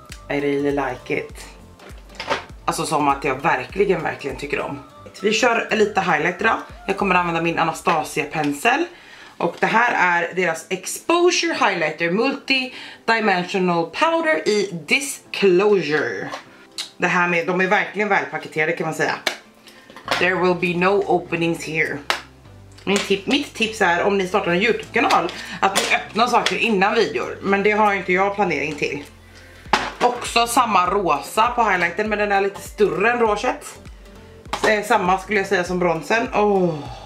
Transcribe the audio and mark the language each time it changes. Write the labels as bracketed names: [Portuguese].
[English] I really like it. [Swedish] Alltså som att jag verkligen, verkligen tycker om. Vi kör lite highlight då. Jag kommer använda min Anastasia-pensel. Och det här är deras Exposure Highlighter Multi-Dimensional Powder i Disclosure. Det här med, de är verkligen välpaketerade kan man säga. [English] There will be no openings here. [Swedish] Mitt tips är om ni startar en YouTube-kanal att ni öppnar saker innan videor. Men det har inte jag planering till. Också samma rosa på highlighten, men den är lite större än rouget. Samma skulle jag säga som bronsen. Oh.